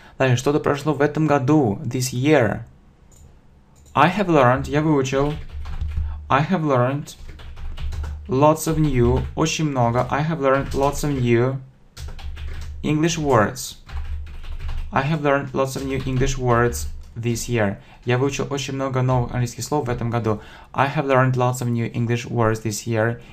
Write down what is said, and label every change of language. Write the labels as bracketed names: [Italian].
[Russian] Далее, что-то прошло в этом году, [English] this year. I have learned, [Russian] я выучил. [English] I have learned lots of new, [Russian] очень много. [English] I have learned lots of new English words. I have learned lots of new English words this year. [Russian] Я выучил очень много новых английских слов в этом году. [English] I have learned lots of new English words this year.